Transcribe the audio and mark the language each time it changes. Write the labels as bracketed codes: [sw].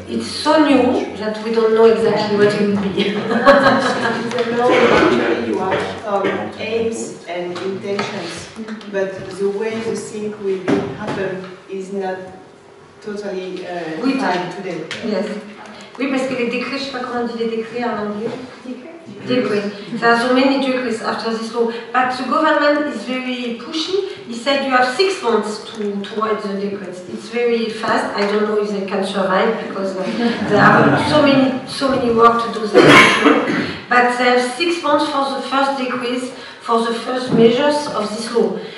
[en] It's so new that we don't know exactly what it would be. Aims and intentions, but the way you think will happen is not totally defined today. Yes. [fr] Oui, parce que les décrets, je ne sais pas comment on dit les décrets en anglais. [en] Decree. There are so many decrees after this law. But the government is very pushy. He said you have 6 months to write the decrees. It's very fast. I don't know if they can survive because there are so many work to do that. But there are 6 months for the first decrees, for the first measures of this law.